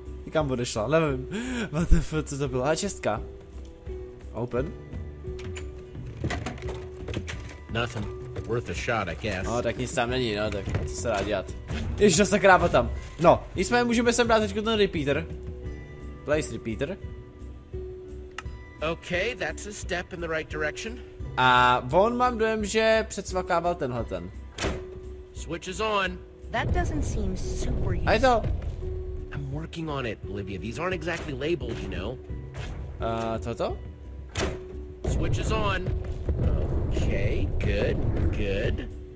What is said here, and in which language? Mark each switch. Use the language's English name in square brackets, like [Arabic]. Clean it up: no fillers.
[Czech] Kam odešla, nevím. [English] What the fuck, [Czech] co to bylo? A čestka. Open. [English] Nothing. Worth a shot, I guess. [Czech] No, tak nic tam není, no, tak co se dá dělat. Ježiš, zase kráva tam. No, nicméně můžeme sem dát teďko ten repeater. [English] Place repeater. Okay, that's a step in the right direction. [Czech] A on mám dojem, že předsvakával tenhle ten. [English] Switch is on. That doesn't seem super useful. I know. I'm working on it, Olivia. These aren't exactly labeled, you know. [Czech] Toto? [English] Switch is on. Okay, good.